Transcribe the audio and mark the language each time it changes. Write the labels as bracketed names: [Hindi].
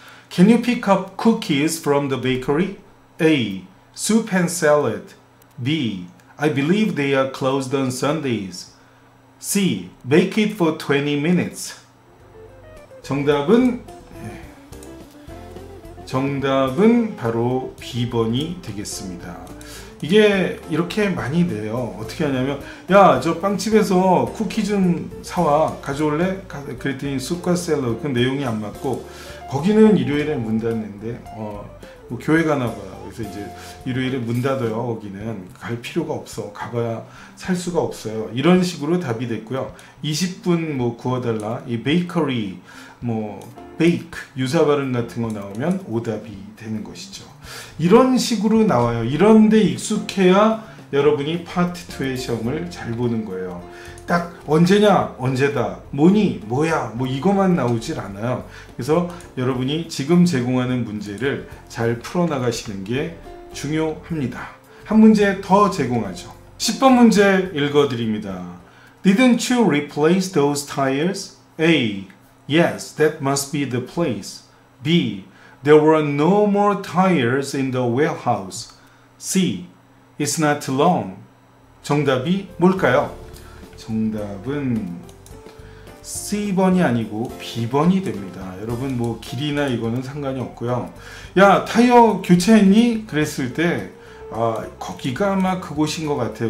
[English] Can you pick up cookies from the bakery? A. Soup and salad. B. I believe they are closed on Sundays. C. Bake it for 20 minutes. [Korean] 정답은 정답은 바로 B번이 되겠습니다. 이게 이렇게 많이 돼요. 어떻게 하냐면 야, 저 빵집에서 쿠키 좀 사와. 가져올래? 그랬더니 쑥과 샐러드. 그 내용이 안 맞고 거기는 일요일에 문 닫는데 뭐 교회 가나 봐요. 그래서 이제 일요일에 문 닫아요. 거기는 갈 필요가 없어. 가봐야 살 수가 없어요. 이런 식으로 답이 됐고요. 20분 뭐 구워달라. 이 베이커리 뭐 bake 유사 발음 같은 거 나오면 오답이 되는 것이죠. 이런 식으로 나와요. 이런데 익숙해야 여러분이 파트 2의 시험을 잘 보는 거예요. 딱 언제냐 언제다 뭐니 뭐야 뭐 이거만 나오질 않아요. 그래서 여러분이 지금 제공하는 문제를 잘 풀어나가시는 게 중요합니다. 한 문제 더 제공하죠. 10번 문제 읽어드립니다. [English] Didn't you replace those tires? A. Yes, that must be the place. B. There were no more tires in the warehouse. C. It's not long. [Korean] 정답이 뭘까요? 정답은 C번이 아니고 B번이 됩니다. 여러분 뭐 길이나 이거는 상관이 없고요. 야 타이어 교체했니? 그랬을 때 아 거기가 아마 그곳인 것 같아요.